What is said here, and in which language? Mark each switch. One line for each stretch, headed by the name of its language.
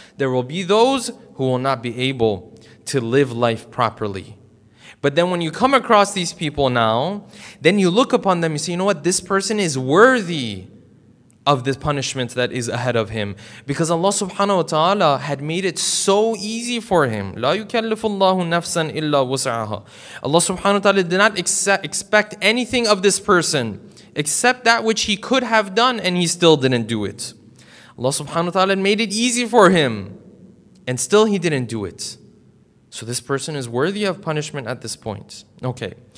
English: There will be those who will not be able to live life properly. But then when you come across these people now, then you look upon them, you say, you know what, this person is worthy of this punishment that is ahead of him. Because Allah subhanahu wa ta'ala had made it so easy for him.
Arabic: لا يكلف الله نفسا إلا وسعها.
English: Allah subhanahu wa ta'ala did not expect anything of this person except that which he could have done and he still didn't do it. Allah subhanahu wa ta'ala made it easy for him and still he didn't do it. So this person is worthy of punishment at this point. Okay.